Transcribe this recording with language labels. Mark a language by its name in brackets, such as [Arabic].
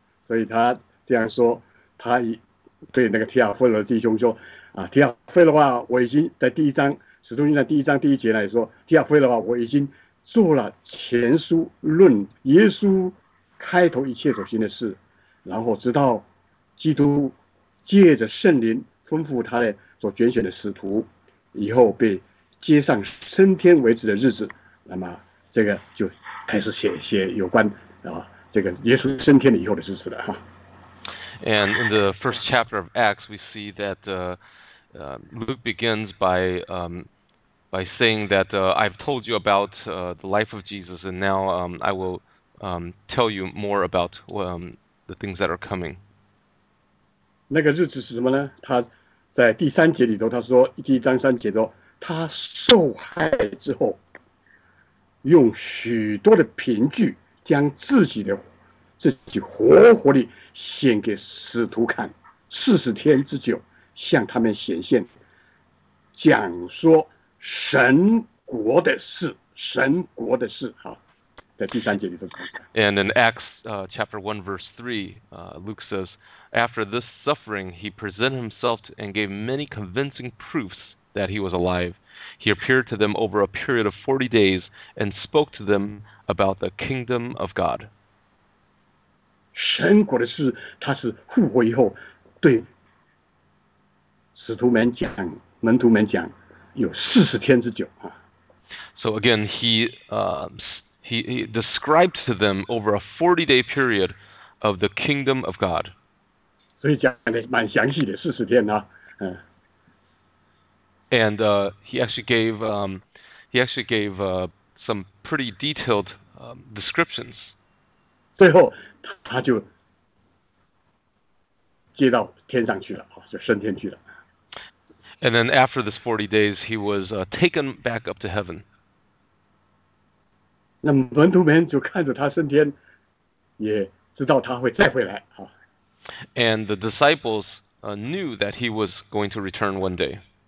[Chinese] 所以他这样说，他对那个提亚菲罗弟兄说，提亚菲罗啊，我已经在第一章《使徒行传》第一章第一节来说，提亚菲罗啊，我已经做了前书论耶稣开头一切所行的事，然后直到基督借着圣灵吩咐他的所拣选的使徒以后被接上升天为止的日子，那么这个就开始写有关这个耶稣升天了以后的日子了。 [English] And in the first chapter of Acts, we see that Luke begins by saying that I've told you about the life of Jesus, and now I will tell you more about the things that are coming. [Chinese] 那个日子是什么呢？他在第三节里头，他说第一章三节说，他受害之后，用许多的凭据将自己活活的献给使徒看，四十天之久，向他们显现，讲说神国的事，神国的事啊，在第三节里头。 [English] And in Acts chapter 1 verse 3, Luke says. After this suffering, he presented himself and gave many convincing proofs that he was alive. He appeared to them over a period of 40 days and spoke to them about the kingdom of God. [Chinese] 神国的事，他是复活以后对使徒们讲，门徒们讲，有四十天之久啊。 [English] So again, he described to them over a 40-day period of the kingdom of God. [Chinese] 所以讲的蛮详细的，四十天啊， [English] And he actually gave he actually gave some pretty detailed descriptions. [Chinese] 最后他就接到天上去了，就升天去了。 [English] And then after this 40 days, he was taken back up to heaven. [Chinese] 那门徒们就看着他升天，也知道他会再回来。 [English] And the disciples knew that he was going to return one day.